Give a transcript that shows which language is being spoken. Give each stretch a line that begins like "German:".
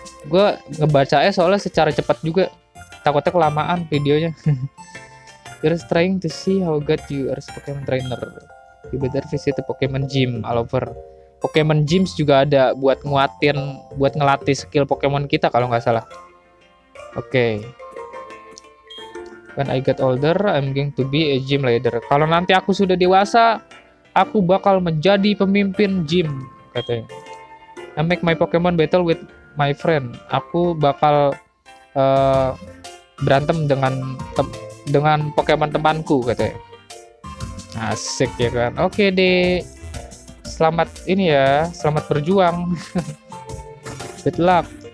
Indonesian: Gue ngebacanya soalnya secara cepat juga. Takutnya kelamaan videonya.
English: You're trying to see how good you are as Pokemon trainer. You better visit the Pokemon gym all over.
Indonesian: Pokemon gyms juga ada buat nguatin, buat ngelatih skill Pokemon kita kalau nggak salah. Oke. Okay.
English: When I get older, I'm going to be a gym leader.
Indonesian: Kalau nanti aku sudah dewasa, aku bakal menjadi pemimpin gym, katanya.
English: I make my Pokemon battle with my friend.
Indonesian: Aku bakal berantem dengan Pokemon temanku, katanya. Asik ya kan. Oke deh, selamat ini ya, selamat berjuang.
English: Good luck.